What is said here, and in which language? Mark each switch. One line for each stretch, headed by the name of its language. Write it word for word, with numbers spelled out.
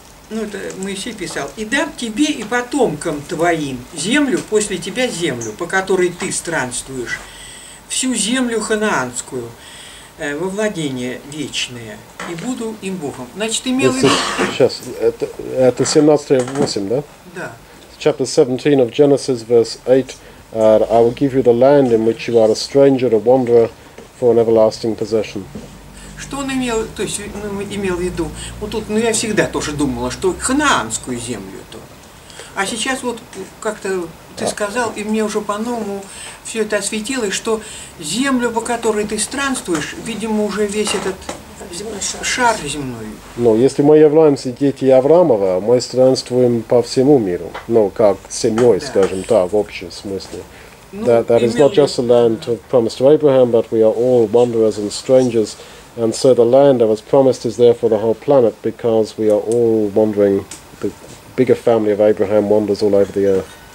Russian: Ну, это Моисей писал. «И дам тебе и потомкам твоим землю, после тебя землю, по которой ты странствуешь, всю землю ханаанскую, во владение вечное, и буду им Богом». Значит, имел в виду... Сейчас, это, это семнадцать восемь, да? Да.
English: Chapter seventeen of Genesis, verse eight, uh, I will give you the land in which you are a stranger, a wanderer, for an everlasting possession.
Russian: Что он имел, то есть, ну, имел в виду? Вот тут, ну, я всегда тоже думала, что ханаанскую землю-то. А сейчас вот как-то ты сказал, и мне уже по-новому все это осветилось, что землю, по которой ты странствуешь, видимо, уже весь этот земной шар. шар земной. Но если мы являемся дети Авраамова, мы странствуем по всему миру, ну, как семьей, да, скажем так, в общем смысле.
English: Ну, that that is not just the land promised to Abraham, but we are all wanderers and strangers, and so the land that was promised is there for the whole planet, because we are all wandering, the bigger family of Abraham wanders all over the earth.